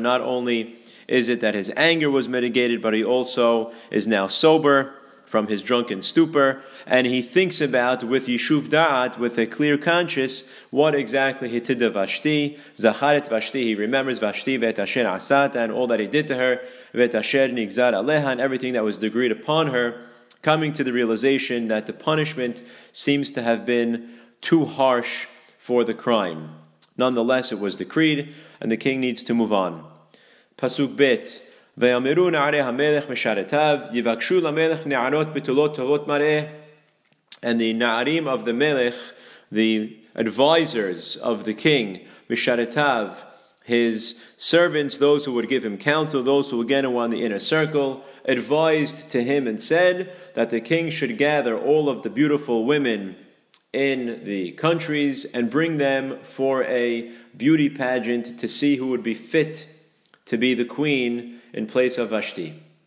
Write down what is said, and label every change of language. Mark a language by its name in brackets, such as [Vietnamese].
[English] Not only is it that his anger was mitigated, but he also is now sober from his drunken stupor, and he thinks about, with Yishuv Da'at, with a clear conscience, what exactly he did to Vashti, [Hebrew] Zacharet Vashti, [English] he remembers Vashti, [Hebrew] Ve'et Asher Asat, [English] and all that he did to her, [Hebrew] Ve'et Asher Nigzar Aleha, [English] and everything that was decreed upon her, coming to the realization that the punishment seems to have been too harsh for the crime. Nonetheless, it was decreed, and the king needs to move on. Pasuk Bet, [Hebrew] ויאמרו נערי המלך משרתיו, יבקשו למלך נערות בתולות טובות מראה. [English] And the נערים of the melech, the advisors of the king, [Hebrew] משרתיו, [English] his servants, those who would give him counsel, those who again were on the inner circle, advised to him and said that the king should gather all of the beautiful women in the countries and bring them for a beauty pageant to see who would be fit to be the queen in place of Vashti.